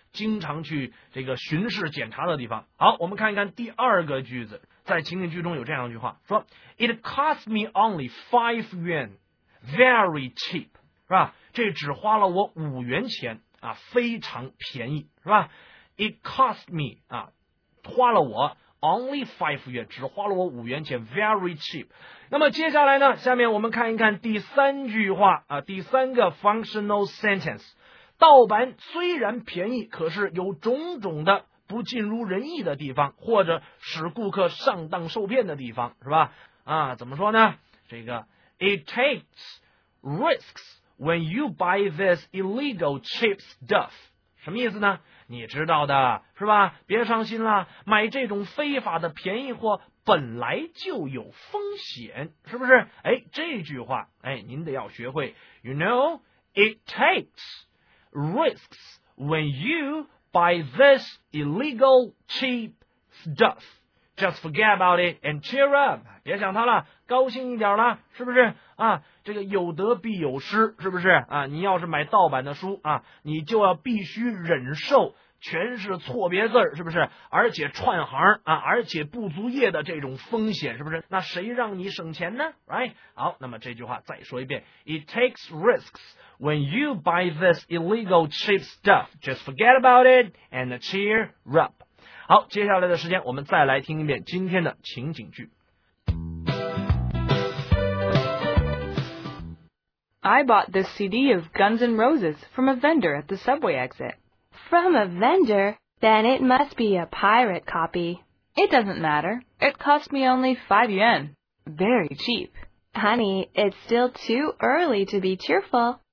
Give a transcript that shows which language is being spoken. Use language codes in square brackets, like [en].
[zh] 经常去这个巡视检查的地方。好，我们看一看第二个句子，在情景剧中有这样一句话说 [en] It cost me only 5 yuan, very cheap, [zh] 是吧？这只花了我5元钱啊，非常便宜，是吧？ [en] It cost me, [zh] 啊，花了我 [en] only 5 yuan, [zh] 只花了我5元钱 [en] very cheap。 [zh] 那么接下来呢，下面我们看一看第三句话啊，第三个 [en] functional sentence。 [zh] 盗版虽然便宜，可是有种种的不尽如人意的地方，或者使顾客上当受骗的地方，是吧？啊，怎么说呢？这个 [en] It takes risks when you buy this illegal cheap stuff， [zh] 什么意思呢？你知道的，是吧？别伤心了，买这种非法的便宜货本来就有风险，是不是？哎，这句话，哎，您得要学会。 [en] You know, it takes risks when you buy this illegal cheap stuff. Just forget about it and cheer up. [zh] 别想它了，高兴一点了，是不是？啊，这个有得必有失，是不是？啊，你要是买盗版的书啊，你就要必须忍受全是错别字，是不是？而且串行啊，而且不足业的这种风险，是不是？那谁让你省钱呢？ [en] Right? [zh] 好，那么这句话再说一遍。 [en] It takes risks when you buy this illegal cheap stuff. Just forget about it and cheer up. [zh] 好，接下来的时间我们再来听一遍今天的情景句。 [en] I bought this CD of Guns N' Roses from a vendor at the subway exit. From a vendor? Then it must be a pirate copy. It doesn't matter. It cost me only 5 yuan. Very cheap. Honey, it's still too early to be cheerful.